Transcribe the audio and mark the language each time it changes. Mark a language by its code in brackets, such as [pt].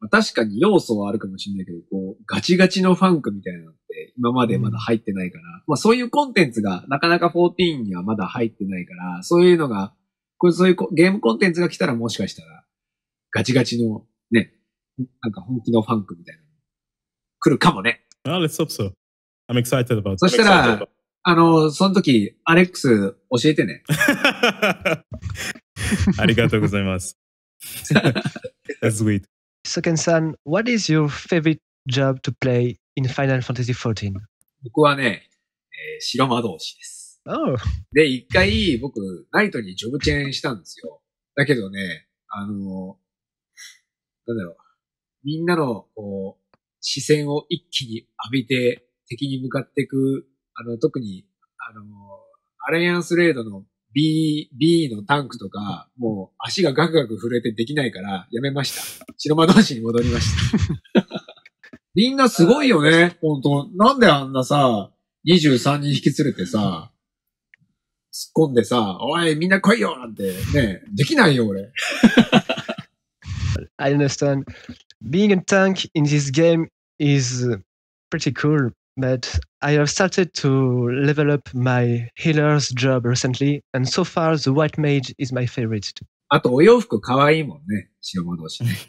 [ja] 確かに要素はあるかもしれないけど、こう、ガチガチのファンクみたいなのって今までまだ入ってないから、まあそういうコンテンツがなかなか14にはまだ入ってないから、そういうのが、これそういうゲームコンテンツが来たらもしかしたら、ガチガチのね、なんか本気のファンクみたいなの来るかもね。 [en] Well, let's hope so. I'm excited about it. [ja] そしたら、その時、アレックス教えてね。ありがとうございます。 [en] That's sweet. So Ken-san, what is your favorite job to play in Final Fantasy XIV? [ja] 僕はね、白魔導士です。 [en] Oh. [ja] で、一回僕、ナイトにジョブチェーンしたんですよ。だけどね、なんだろう。みんなの、こう、視線を一気に浴びて、敵に向かっていく、特に、アライアンスレードの B のタンクとか、もう足がガクガク震えてできないから、やめました。白魔導士に戻りました。みんなすごいよね、ほんと。なんであんなさ、23人引き連れてさ、突っ込んでさ、おい、みんな来いよなんて、ね、できないよ、俺。 [en] I understand. Being a tank in this game is pretty cool, but I have started to level up my healer's job recently, and so far the white mage is my favorite. [ja] あとお洋服かわいいもんね、白魔導士。